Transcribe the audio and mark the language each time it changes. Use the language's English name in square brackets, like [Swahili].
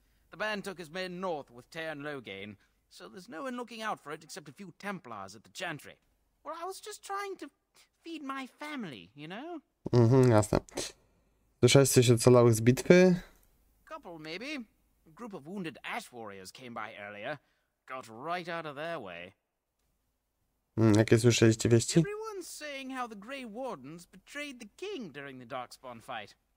[English] The band took his men north with Tear and Logain, so there's no one looking out for it except a few Templars at the Chantry. Well, I was just trying to feed my family, you know? [Polish] Jasne. Słyszałeś coś o celach z bitwy? [English] Couple, maybe. A group of wounded Ash Warriors came by earlier. Got right out of their way. [Polish] Jakie słyszeliście wieści? [English] Everyone's saying how the Grey Wardens betrayed the King during the Darkspawn fight.